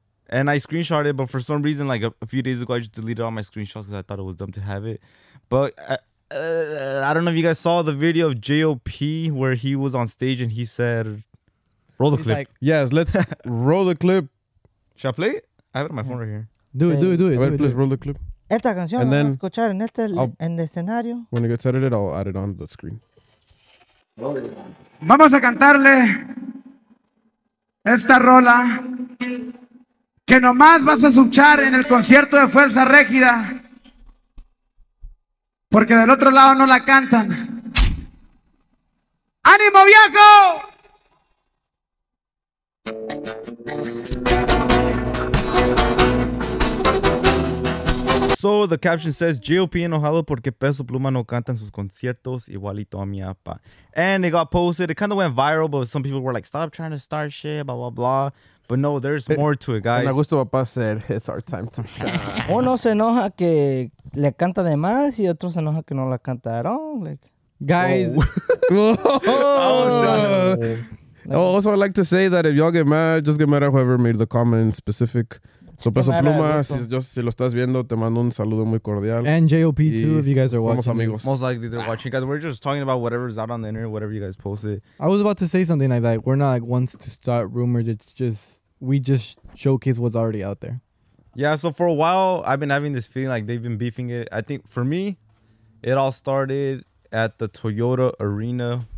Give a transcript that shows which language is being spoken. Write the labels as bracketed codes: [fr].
[en] And I screenshotted, but for some reason, like a few days ago, I just deleted all my screenshots because I thought it was dumb to have it. But I don't know if you guys saw the video of J.O.P. where he was on stage and he said, roll the clip. Like, yes, let's roll the clip. Shall I play it? I have it on my phone right here. Do it. Right, please roll the clip. Esta canción and then escuchar en este en el escenario. When it gets edited, I'll add it on the screen. [es] Vamos a cantarle esta rola que nomás vas a escuchar en el concierto de Fuerza Régida, porque del otro lado no la cantan. ¡Ánimo, viejo! [en] So the caption says, J.O.P. [es] enojado porque Peso Pluma no canta en sus conciertos igualito a mi apa. [en] And it got posted. It kind of went viral, but some people were like, stop trying to start shit, blah, blah, blah. But no, there's more to it, guys. Me gusta papá said, it's our time to shine. [es] Uno se enoja que le canta de más y otro se enoja que no la canta [en] at all. Like, guys. Oh. Oh, no. Also, I'd like to say that if y'all get mad, just get mad at whoever made the comment specific. [es] So Peso Pluma, si lo estás viendo, te mando un saludo muy cordial. [en] And J.O.P. too, if you guys are watching. [es] Somos amigos. [en] Most likely they're watching. Guys, we're just talking about whatever's out on the internet, whatever you guys posted. I was about to say something like that. We're not like ones to start rumors. It's just, we just showcase what's already out there. Yeah, so for a while, I've been having this feeling like they've been beefing it. I think for me, it all started at the Toyota Arena.